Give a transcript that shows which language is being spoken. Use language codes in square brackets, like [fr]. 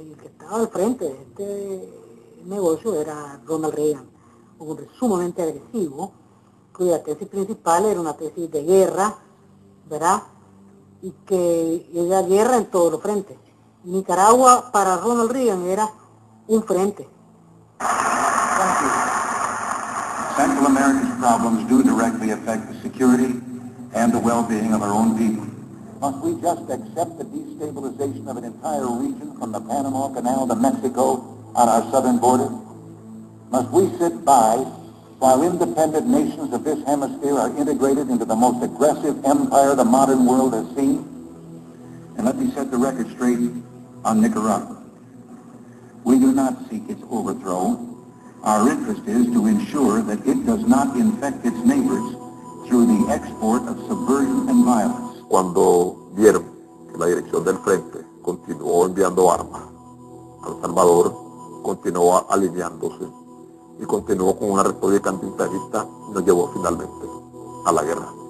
[es] Y el que estaba al frente de este negocio era Ronald Reagan, un hombre sumamente agresivo, cuya tesis principal era una tesis de guerra, ¿verdad? Y que era guerra en todos los frentes. Nicaragua para Ronald Reagan era un frente. [en] Central America's problems do directly affect the security and the well-being of our own people. Must we just accept the destabilization of an entire region from the Panama Canal to Mexico on our southern border? Must we sit by while independent nations of this hemisphere are integrated into the most aggressive empire the modern world has seen? And let me set the record straight on Nicaragua. We do not seek its overthrow. Our interest is to ensure that it does not infect its neighbors through the export of subversion and violence. [es] Cuando vieron que la dirección del frente continuó enviando armas a El Salvador, continuó alineándose y continuó con una retórica antiimperialista, nos llevó finalmente a la guerra.